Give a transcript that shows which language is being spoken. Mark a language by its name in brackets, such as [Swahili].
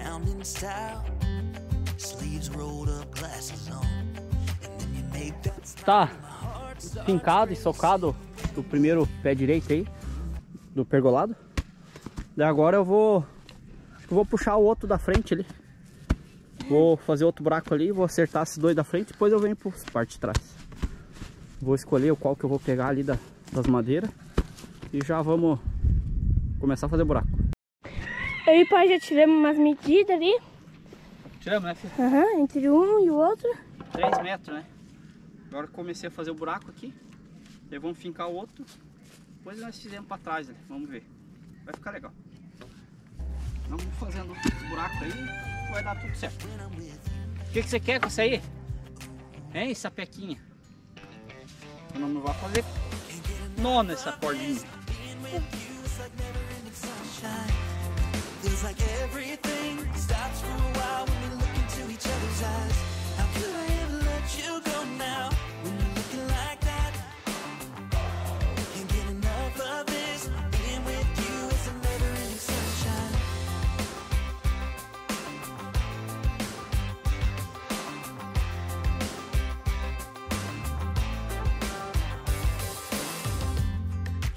[English] In style, sleeves rolled up, glasses on, and then you make that style. [Portuguese] Tá fincado e socado do primeiro pé direito aí, do pergolado. E agora eu vou, acho que vou puxar o outro da frente ali. Vou fazer outro buraco ali, vou acertar esses dois da frente, depois eu venho para a parte de trás. Vou escolher o qual que eu vou pegar ali das madeiras e já vamos começar a fazer buraco. Eu e o pai já tiramos umas medidas ali. Tiramos, né, filho? Aham, entre um e o outro. 3 metros, né? Agora que comecei a fazer o buraco aqui, aí vamos fincar o outro. Depois nós fizemos pra trás ali, vamos ver. Vai ficar legal. Vamos fazendo o buraco aí, vai dar tudo certo. O que você quer com isso aí? Hein, sapequinha? Eu não vou fazer nó nessa cordinha. [English] Like everything stops for a while when we look into each other's eyes. How could I ever let you go now? When you're looking like that, can't get enough of this. Being with you is a never ending sunshine.